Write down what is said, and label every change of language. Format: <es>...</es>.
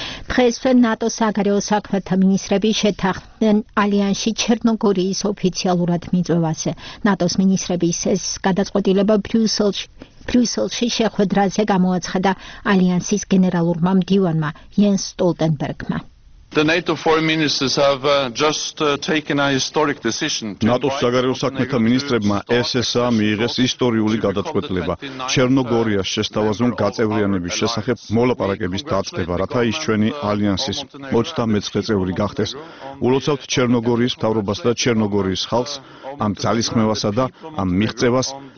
<ka>დღესვე ნატო საგარეო საქმეთა მინისტრები შეთანხმდნენ ალიანსში ჩერნოგორიის ოფიციალურად მიწვევაზე. ნატოს მინისტრების ეს გადაწყვეტილება ბრიუსელში შეხვედრაზე გამოაცხადა ალიანსის გენერალურმა მდივანმა იენს სტოლტენბერგმა.</ka> <en>The NATO foreign ministers have taken a historic decision.</en> <ka>ნატოს საგარეო საქმეთა მინისტრებმა SSA მიიღეს ისტორიული გადაწყვეტილება. ჩერნოგორიას შესთავაზონ გაწევრიანების შესახებ მოლაპარაკების დაწყება, რათა ის ჩვენი ალიანსის 39 წევრი გახდეს. ულოცავთ ჩერნოგორიის მთავრობას და ჩერნოგორიის ხალხს ამ ძალისხმევასა და ამ მიღწევას.</ka>